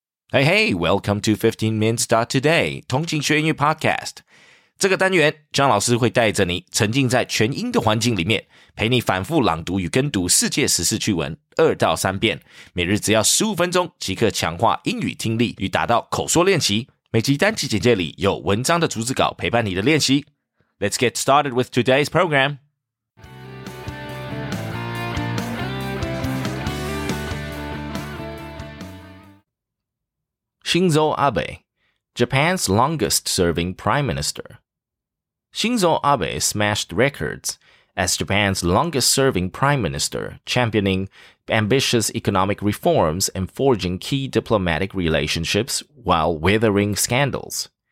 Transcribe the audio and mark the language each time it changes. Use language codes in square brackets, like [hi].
[en] Hey, hey, welcome to 15minutes.today, 同情学英语 podcast。 [zh] 这个单元张老师会带着你沉浸在全英的环境里面，陪你反复朗读与跟读世界时事趣闻二到三遍，每日只要15分钟即刻强化英语听力与达到口说练习。每集单集简介里有文章的逐字稿陪伴你的练习。 [en] Let's get started with today's program。 Shinzo Abe, Japan's longest-serving Prime Minister. Shinzo Abe smashed records as Japan's longest-serving Prime Minister, championing ambitious economic reforms and forging key diplomatic relationships while weathering scandals.